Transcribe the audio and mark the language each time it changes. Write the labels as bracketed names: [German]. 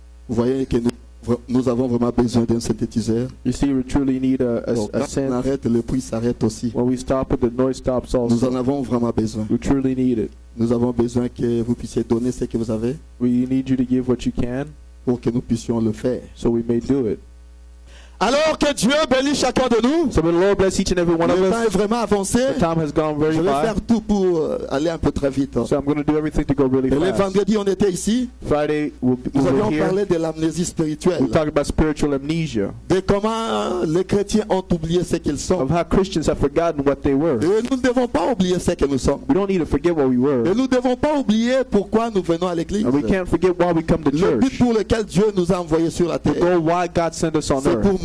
[French] Vous voyez que nous avons vraiment besoin d'un synthétiseur. [English] You see, we truly need a synth. [French] Quand on arrête, le bruit s'arrête aussi. [English] When we stop, the noise stops also. [French] Nous en avons vraiment besoin. [English] We truly need it. [French] Nous avons besoin que vous puissiez donner ce que vous avez. [English] We need you to give what you can. [French] Pour que nous puissions le faire. [English] So we may do it. [French] Alors que Dieu bénisse chacun de nous. [English] So may the Lord bless each and every one of us. [French] Le temps est vraiment avancé. [English] The time has gone very fast. [French] Je vais faire tout pour aller un peu très vite. [English] So I'm going to do everything to go really fast. [French] Le vendredi on était ici. [English] Friday we'll [French] nous avions parlé de l'amnésie spirituelle. [English] We talked about spiritual amnesia. [French] De comment les chrétiens ont oublié ce qu'ils sont. [English] Of how Christians have forgotten what they were. [French] Et nous ne devons pas oublier ce que nous sommes. [English] We don't need to forget what we were. [French] Et nous ne devons pas oublier pourquoi nous venons à l'église. [English] And we can't forget why we come to church. [French] Le but pour lequel Dieu nous a envoyé sur la terre. [English] The goal why God sent us on earth.